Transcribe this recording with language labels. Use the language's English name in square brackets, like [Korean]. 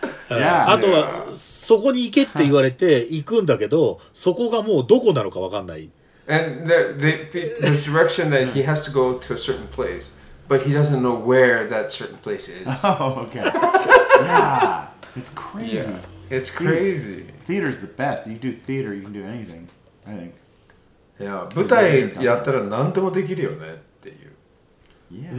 [Japanese] あとは、そこに行けって言われて行くんだけど、そこがもうどこなのか分かんない。 [English] And the direction that he has to go to a certain place. But he doesn't know where that certain place is. Oh, okay. Yeah. It's crazy. Yeah. It's crazy. Theater's the best. You do theater, you can do anything, I think. Yeah. [Japanese] 舞台やったら何でもできるよねっていう。